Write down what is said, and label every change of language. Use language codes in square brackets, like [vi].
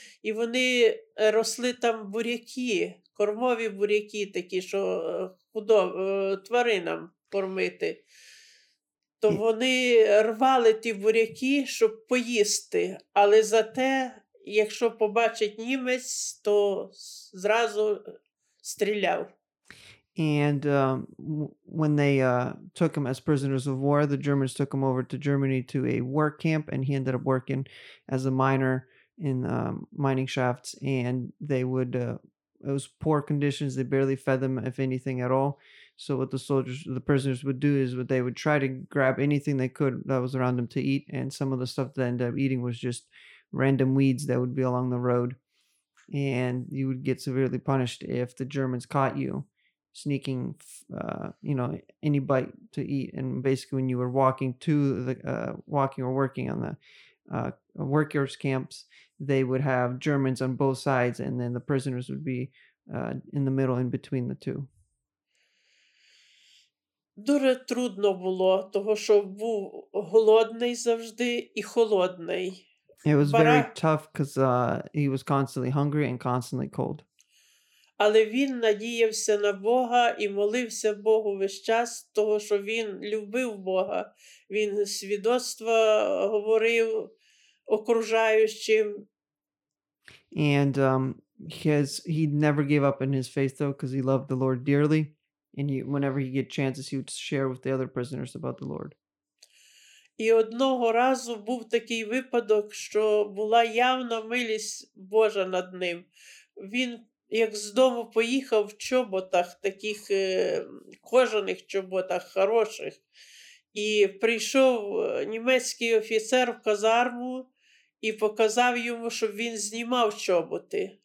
[uk] І вони росли там буряки, кормові буряки такі, що тваринам кормити. То вони рвали ті буряки, щоб поїсти, але зате, якщо побачить німець, то зразу стріляв. [en] And when they took him as prisoners of war, the Germans took him over to Germany to a work camp, and he ended up working as a miner in mining shafts. And they would, it was poor conditions. They barely fed them, if anything at all. So what the soldiers, the prisoners would do is they would try to grab anything they could that was around them to eat. And some of the stuff they ended up eating was just random weeds that would be along the road. And you would get severely punished if the Germans caught you sneaking, you know, any bite to eat. And basically when you were walking to the, walking or working on the workers' camps, they would have Germans on both sides, and then the prisoners would be in the middle, in between the two. [uk] Дуже трудно було, того, що був голодний завжди і холодний. [en] It was very tough because he was constantly hungry and constantly cold. [uk] Але він надіявся на Бога і молився Богу весь час, того, що він любив Бога. Він свідоцтво говорив окружаючим. [en] And he never gave up in his faith, though, because he loved the Lord dearly. And whenever he get chances, he would share with the other prisoners about the Lord. [uk] І одного разу був такий випадок, що була явна милість Божа над ним. Він як з дому поїхав в чоботах, таких кожаних чоботах, хороших. І прийшов німецький офіцер в казарму і показав йому, щоб він знімав чоботи.